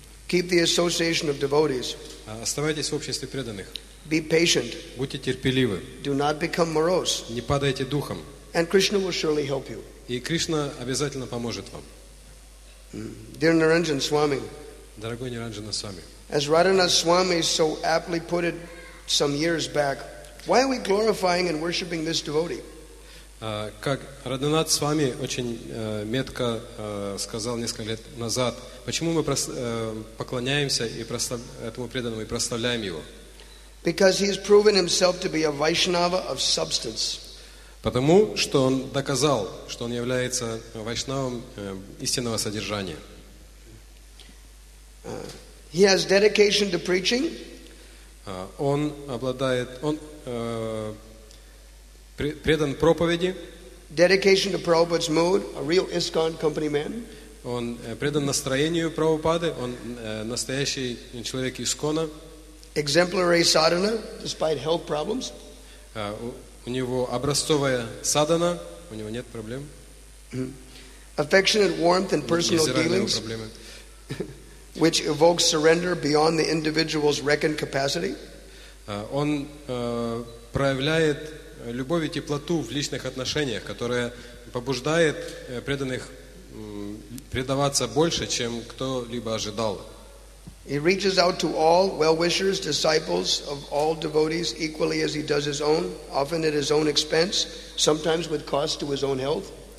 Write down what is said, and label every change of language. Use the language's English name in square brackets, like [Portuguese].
[English] Keep the association of devotees. [Russian] Оставайтесь в обществе преданных. [English] Be patient. [Russian] Будьте терпеливы. [English] Do not become morose. [Russian] Не падайте духом. [English] And Krishna will surely help you. [Russian] И Кришна обязательно поможет вам. [English] Dear Niranjan Swami. [Russian] Дорогой Ниранджана Свами. [English] As Radhanath Swami so aptly put it some years back, why are we glorifying and worshiping this devotee? [Russian] Как Радханат Свами очень метко сказал несколько лет назад, почему мы поклоняемся этому преданному и прославляем его? [English] Because he has proven himself to be a Vaishnava of substance. [Russian] Потому что он доказал, что он является вайшнавом истинного содержания. [English] He has dedication to preaching. [Russian] Он обладает, он предан проповеди. [English] Dedication to Prabhupada's mood, a real ISKCON company man. [Russian] Он предан настроению Прабхупады, он настоящий человек ИСКОНа. [English] Exemplary sadhana, despite health problems. [Russian] У него образцовая садхана, у него нет проблем. [English] Affectionate warmth and personal dealings. Which evokes surrender beyond the individual's reckoned capacity. [Russian] Он проявляет любовь и теплоту в личных отношениях, которая побуждает преданных предаваться больше, чем кто-либо ожидал. [English] He reaches out to all well-wishers, disciples of all devotees equally as he does his own, often at his own expense, sometimes with cost to his own health.